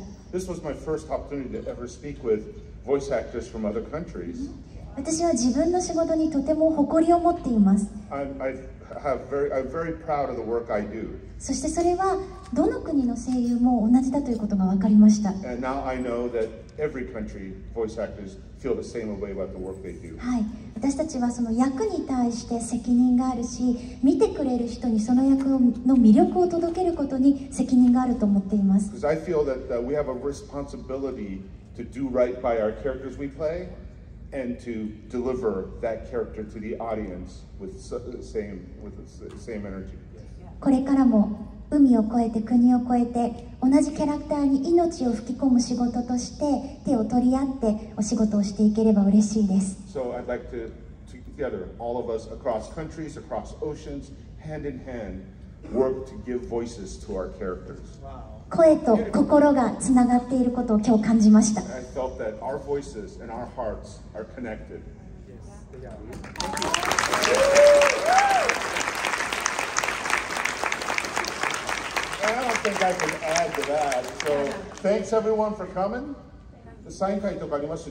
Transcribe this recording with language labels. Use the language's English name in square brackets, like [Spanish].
[English] This was my first opportunity to ever speak with voice actors from other countries. Mm-hmm. I I'm very proud of the work I do. [Japanese] そしてそれはどの国の声優も同じだということが分かりました。 [English] And now I know that every country voice actors feel the same way about the work they do. [Japanese] はい、私たちはその役に対して責任があるし、見てくれる人にその役の魅力を届けることに責任があると思っています。 [English] Because I feel that we have a responsibility to do right by our characters we play. And to deliver that character to the audience with the same energy. [Japanese] これからも海を越えて国を越えて同じキャラクターに命を吹き込む仕事として手を取り合ってお仕事をしていければ嬉しいです。 [English] So I'd like to together all of us across countries, across oceans, hand in hand, work to give voices to our characters. Wow. [Japanese] 声と心がつながっていることを今日感じました。 [English] I felt that our voices and our hearts are connected. Yes, they are. Thank you. I don't think I can add to that. So, thanks everyone for coming. The sign [Japanese] 会とかありました。